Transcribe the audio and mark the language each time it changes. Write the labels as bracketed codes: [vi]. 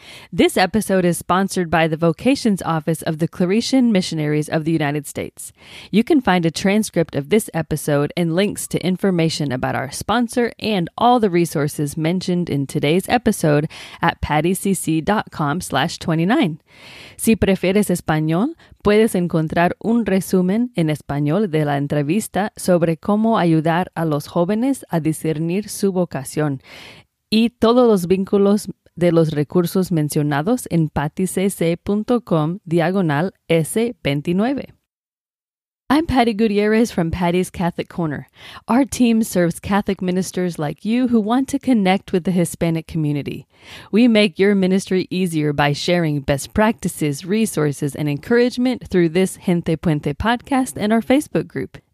[en] This episode is sponsored by the Vocations Office of the Claretian Missionaries of the United States. You can find a transcript of this episode and links to information about our sponsor and all the resources mentioned in today's episode at pattycc.com/29. [es] Si prefieres español, puedes encontrar un resumen en español de la entrevista sobre cómo ayudar a los jóvenes a discernir su vocación y todos los vínculos de los recursos mencionados en patticc.com/S29. [en] I'm Patti Gutierrez from Patti's Catholic Corner. Our team serves Catholic ministers like you who want to connect with the Hispanic community. We make your ministry easier by sharing best practices, resources, and encouragement through this Gente Puente podcast and our Facebook group.